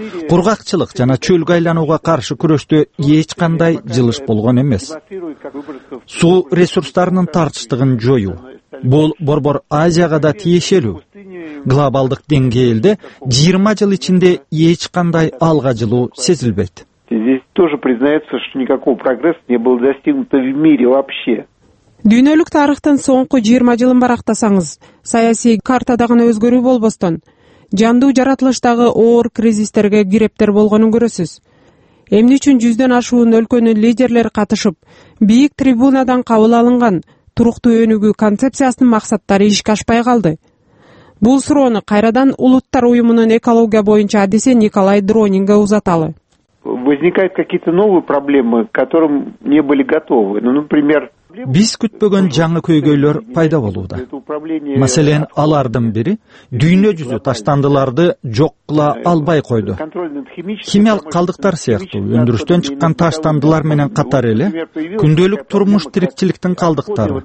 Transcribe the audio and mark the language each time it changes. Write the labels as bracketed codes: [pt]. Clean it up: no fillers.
[ky] Кургакчылык жана чөлгө айланууга каршы күрөштө эч кандай жылыш болгон эмес. Суу ресурстарынын тартыштыгын жоюу. Бул борбор Азияга да тиешелүү. Глобалдык деңгээлде 20 жыл ичинде эч кандай алга жылуу сезилбейт. [ru] Здесь тоже признается, что никакого прогресса не было достигнуто в мире вообще. [ky] Дүйнөлүк тарыхтын соңку 20 жылын барактасаңыз, саясий картада гана өзгөрүү болбостон, жандуу жаратылыштагы оор кризистерге кирептер болгонун көрөсүз. Эмне үчүн 100дөн ашуун өлкөнүн лидерлери катышып, бийик трибунадан кабыл алынган туруктуу өнүгүү концепциясынын максаттары ишке ашпай калды? Бул суроону кайрадан Улуттар уюмунун экология боюнча адиси Николай Дронинге узаталы. [ru] Возникают какие-то новые проблемы, к которым не были готовы. Например, [ky] биз күтпөгөн жаңы көйгөйлөр пайда болууда. Маселен, алардын бири дүйнө жүзү таштандыларды жок кыла албай койду. Химиялык калдыктар сыяктуу өндүрүштөн чыккан таштандылар менен катар эле күндөлүк турмуш тирикчиликтин калдыктары.